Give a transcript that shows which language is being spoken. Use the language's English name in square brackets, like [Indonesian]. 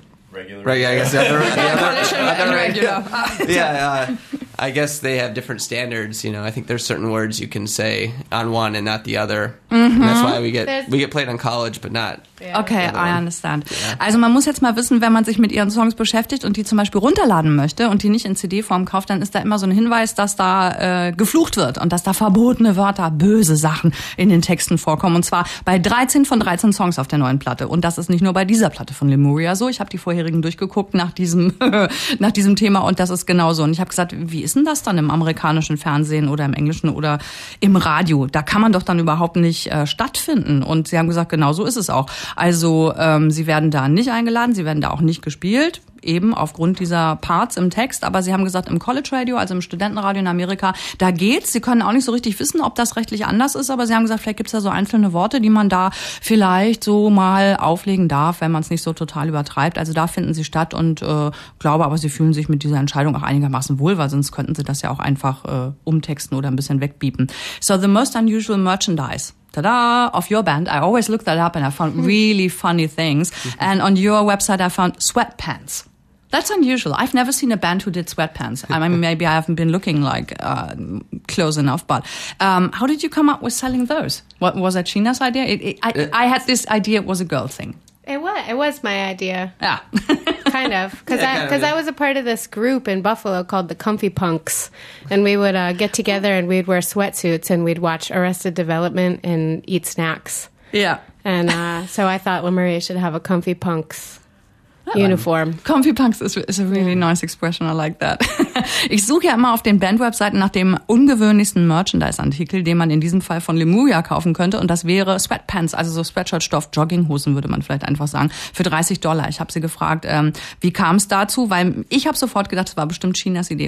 [English] regular. Right. I guess. Yeah. Yeah. I guess they have different standards, you know. I think there's certain words you can say on one and not the other. Mm-hmm. That's why we get played on college, but not. Yeah. Okay, I understand. Yeah. [German] Also man muss jetzt mal wissen, wenn man sich mit ihren Songs beschäftigt und die zum Beispiel runterladen möchte und die nicht in CD-Form kauft, dann ist da immer so ein Hinweis, dass da geflucht wird und dass da verbotene Wörter, böse Sachen in den Texten vorkommen. Und zwar bei 13 von 13 Songs auf der neuen Platte. Und das ist nicht nur bei dieser Platte von Lemuria so. Ich habe die vorherigen durchgeguckt nach diesem Thema und das ist genauso. Und ich habe gesagt, wie ist denn das dann im amerikanischen Fernsehen oder im Englischen oder im Radio? Da kann man doch dann überhaupt nicht stattfinden. Und sie haben gesagt, genau so ist es auch. Also sie werden da nicht eingeladen, sie werden da auch nicht gespielt, eben aufgrund dieser Parts im Text. Aber sie haben gesagt, im College Radio, also im Studentenradio in Amerika, da geht's. Sie können auch nicht so richtig wissen, ob das rechtlich anders ist. Aber sie haben gesagt, vielleicht gibt's da so einzelne Worte, die man da vielleicht so mal auflegen darf, wenn man es nicht so total übertreibt. Also da finden sie statt und glaube aber, sie fühlen sich mit dieser Entscheidung auch einigermaßen wohl, weil sonst könnten sie das ja auch einfach umtexten oder ein bisschen wegbiepen. [English] So, the most unusual merchandise. Ta-da, of your band. I always looked that up and I found really funny things. And on your website, I found sweatpants. That's unusual. I've never seen a band who did sweatpants. I mean, maybe I haven't been looking like close enough, but how did you come up with selling those? What was that, Sheena's idea? I had this idea it was a girl thing. It was my idea. Yeah. Kind of. Because I was a part of this group in Buffalo called the Comfy Punks. And we would get together and we'd wear sweatsuits and we'd watch Arrested Development and eat snacks. Yeah. And so I thought Lemuria should have a Comfy Punks uniform. Comfy Punks is a really nice expression. I like that. [German] Ich suche ja immer auf den Bandwebseiten nach dem ungewöhnlichsten Merchandise-Artikel, den man in diesem Fall von Lemuria kaufen könnte. Und das wäre Sweatpants, also so Sweatshirt-Stoff, Jogginghosen, würde man vielleicht einfach sagen, für $30. Ich habe sie gefragt, wie kam es dazu? Weil ich habe sofort gedacht, es war bestimmt Sheenas Idee.